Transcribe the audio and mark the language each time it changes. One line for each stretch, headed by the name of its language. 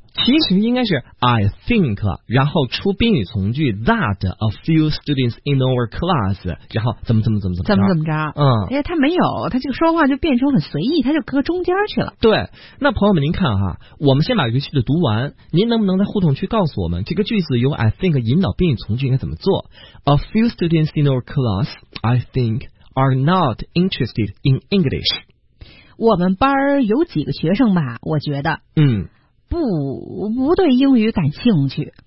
Chinese: 其实应该是 I think， 然后出宾语从句
English: that a few students in our class，
Chinese: 然后怎么着嗯，因为他没有，他这个说话就变成很随意，他就搁中间去了。对，那朋友们您看哈，我们先把这个句子读完，您能不能在互动区告诉我们这个句子由 I think 引导宾语从句应该怎么做。
English: A few students in our class I think are not interested in English，
Chinese: 我们班有几个学生吧，我觉得不对英语感兴趣。